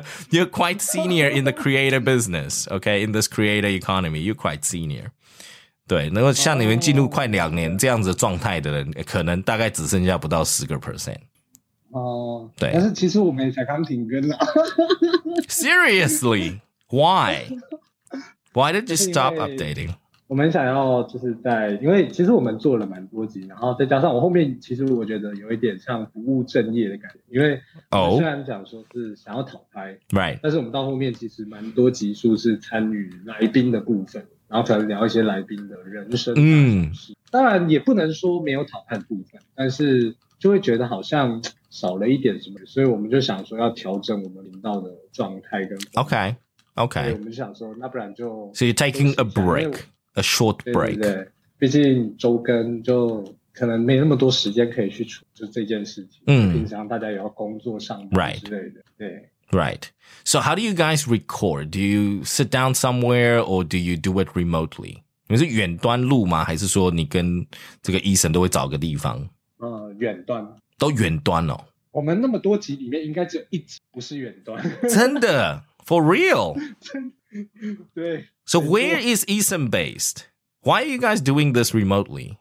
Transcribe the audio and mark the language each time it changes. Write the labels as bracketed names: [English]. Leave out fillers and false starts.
[English] You're quite senior in the creator business, okay? In this creator economy, you're quite senior. [Chinese] 对，能够像你们进入快2年这样子状态的人，可能大概只剩下不到10%。对，但是其实我们才刚停更了。 [English] Seriously? Why? Why did you stop updating? [Chinese] 我们想要就是在，因为其实我们做了蛮多集，然后再加上我后面其实我觉得有一点像不务正业的感觉，因为我虽然讲说是想要讨拍、 [English] right. [Chinese] 但是我们到后面其实蛮多集数是参与来宾的部分，然后可能聊一些来宾的人生大小事、嗯、当然也不能说没有讨拍的部分，但是就会觉得好像少了一点什么，所以我们就想说要调整我们频道的状态跟 [English] OK。 Okay. [Chinese] 我们想说，那不然就 [English] So you're taking a break, a short break. [Chinese] 对对对，毕竟周更就可能没那么多时间可以去处就这件事情。嗯，平常大家也要工作上班之类的。 [English] Right. [Chinese] 对。 [English] Right. So how do you guys record? Do you sit down somewhere or do you do it remotely? [Chinese] 你是远端录吗？还是说你跟这个医生都会找个地方？远端。都远端哦。我们那么多集里面应该只有一集不是远端。真的 [English] ?For real? [Chinese] 对。 [English] So where is Eason based? Why are you guys doing this remotely?